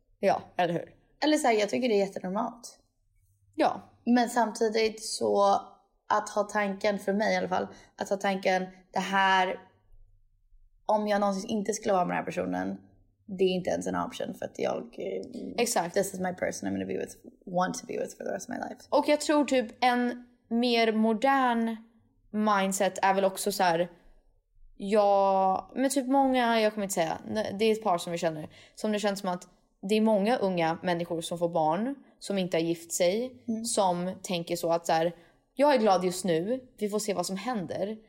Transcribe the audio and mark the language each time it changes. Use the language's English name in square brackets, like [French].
[Swedish] Ja, eller hur? Eller så här, jag tycker det är jättenormalt. Ja. Men samtidigt så att ha tanken, för mig i alla fall, att ha tanken, det här, om jag någonsin inte skulle vara med den här personen, det är inte ens en option för att jag... Exakt. [English] This is my person I'm going to be with, want to be with for the rest of my life. [Swedish] Och jag tror typ en mer modern mindset är väl också så här... Ja, men typ många, jag kommer inte säga, det är ett par som vi känner, som det känns som att det är många unga människor som får barn, som inte har gift sig, mm. som tänker så att så här, jag är glad just nu, vi får se vad som händer,